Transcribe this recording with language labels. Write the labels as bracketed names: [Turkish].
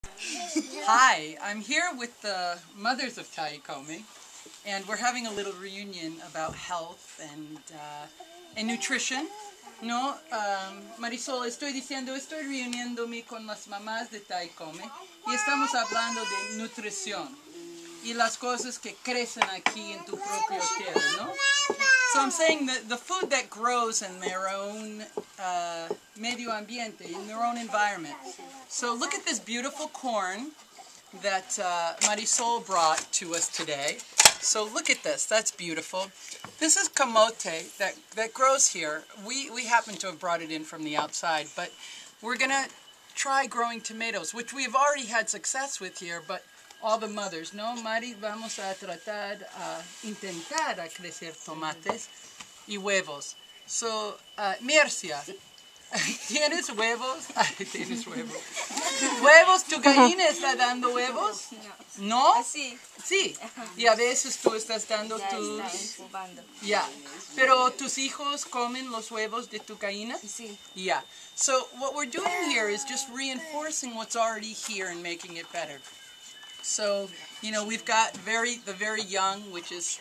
[English] Hi, I'm here with the mothers of Tayakome, and we're having a little reunion about health and nutrition. [Spanish] No, Marisol, estoy reuniéndome con las mamás de Tayakome, y estamos hablando de nutrición y las cosas que crecen aquí en tu propia tierra, no? [English] So I'm saying that the food that grows in their own [Spanish] medio ambiente, [English] in their own environment. So look at this beautiful corn that Marisol brought to us today. So look at this. That's beautiful. This is camote that grows here. We happen to have brought it in from the outside, but we're going to try growing tomatoes, which we have already had success with here, but all the mothers. [Spanish] No, Mari, vamos a tratar a intentar a crecer tomates y huevos. So, Mircea, ¿tienes huevos? ¿Tienes huevos? ¿Huevos? ¿Tu gallina está dando huevos? No. ¿No? Sí. Sí. Y a veces tú estás dando ya tus... Ya está incubando. Ya. Yeah. ¿Pero tus hijos comen los huevos de tu gallina? Sí. Ya. Yeah. [English] So, what we're doing here is just reinforcing what's already here and making it better. So, you know, we've got the very young, which is...